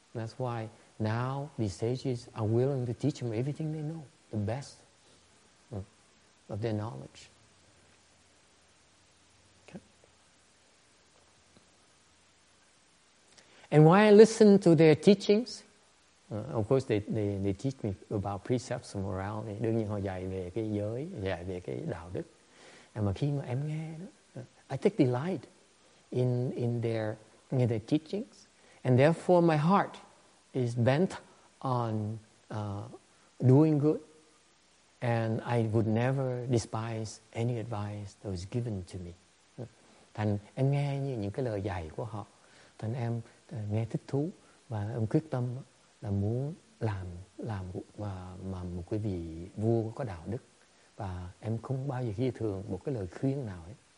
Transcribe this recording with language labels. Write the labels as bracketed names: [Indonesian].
[English] That's why now these sages are willing to teach them everything they know, the best of their knowledge. And why I listen to their teachings? Of course, they teach me about precepts and morality. [Vietnamese] Đương nhiên họ dạy về cái giới, dạy về cái đạo đức. [English] And [Vietnamese] mà khi mà em nghe, [English] I take delight in their teachings, and therefore my heart is bent on doing good, and I would never despise any advice that was given to me. [Vietnamese] Thành em nghe như những cái lời dạy của họ, thành em nghe thích thú và ông quyết tâm là muốn làm một cái vị vua có đạo đức, và em không bao giờ ghi thường một cái lời khuyên nào ấy.